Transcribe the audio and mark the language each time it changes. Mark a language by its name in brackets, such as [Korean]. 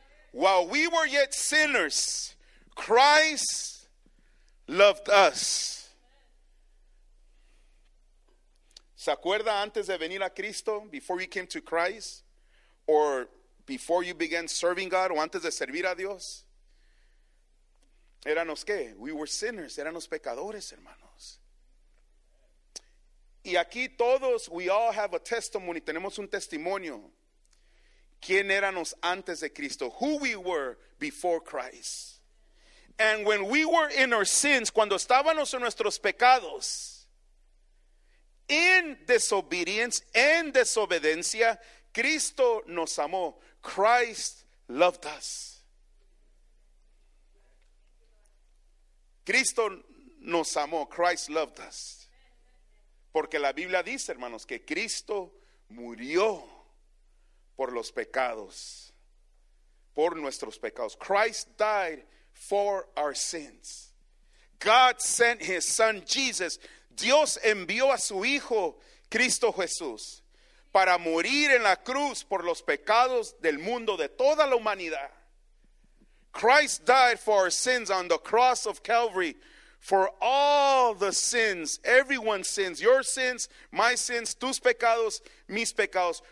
[English] While we were yet sinners, Christ loved us. [Spanish] ¿Se acuerda antes de venir a Cristo? [English] Before you came to Christ, or before you began serving God, [Spanish] o antes de servir a Dios, Éramos qué? [English] We were sinners. [Spanish] Éramos pecadores, hermanos. Y aquí todos, [English] we all have a testimony. [Spanish] Tenemos un testimonio. ¿Quién éramos antes de Cristo? [English] Who we were before Christ. And when we were in our sins, [Spanish] cuando estábamos en nuestros pecados, [English] in disobedience, [Spanish] en desobediencia, Cristo nos amó. [English] Christ loved us. [Spanish] Cristo nos amó. [English] Christ loved us. [Spanish] Porque la Biblia dice, hermanos, que Cristo murió por los pecados, por nuestros pecados. [English] Christ died for our sins. God sent his son Jesus. [Spanish] Dios envió a su hijo Cristo Jesús para morir en la cruz por los pecados del mundo, de toda la humanidad. [English] Christ died for our sins on the cross of Calvary, for all the sins, everyone's sins, your sins, my sins, [Spanish] tus pecados, mis pecados.